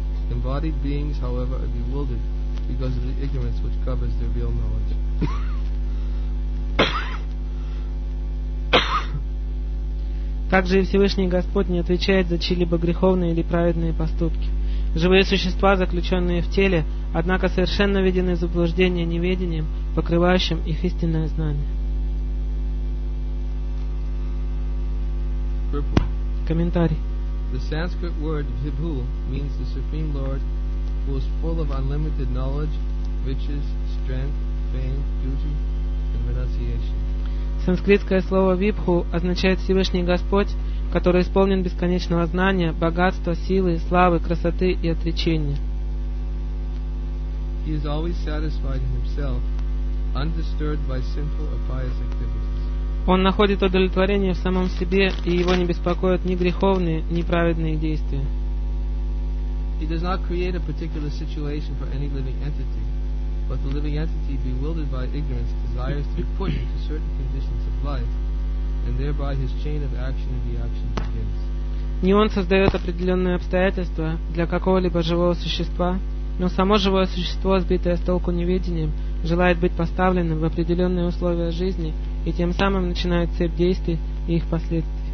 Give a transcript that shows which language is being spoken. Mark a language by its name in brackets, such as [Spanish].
[English] Embodied beings, however, are bewildered because of the ignorance which covers their real knowledge. [Russian] Также и Всевышний Господь не отвечает за чьи-либо греховные или праведные поступки. Живые существа, заключенные в теле, однако совершенно введены в заблуждение неведением, покрывающим их истинное знание. [English] The Sanskrit word Vibhu means the Supreme Lord who is full of unlimited knowledge, riches, strength, fame, duty, and renunciation. [Russian] Санскритское слово Vibhu означает Всевышний Господь, который исполнен бесконечного знания, богатства, силы, славы, красоты и отречения. [English] He is always satisfied in himself, undisturbed by sinful or pious activities. [Russian] Он находит удовлетворение в самом себе, и его не беспокоят ни греховные, ни праведные действия. [English] He does not create a particular situation for any living entity, but the living entity, bewildered by ignorance, desires to be put into certain conditions of life, and thereby his chain of action and reaction begins. [Russian] Не он создает определенные обстоятельства для какого-либо живого существа, но само живое существо, сбитое с толку неведением, желает быть поставленным в определенные условия жизни, и тем самым начинает цепь действий и их последствий.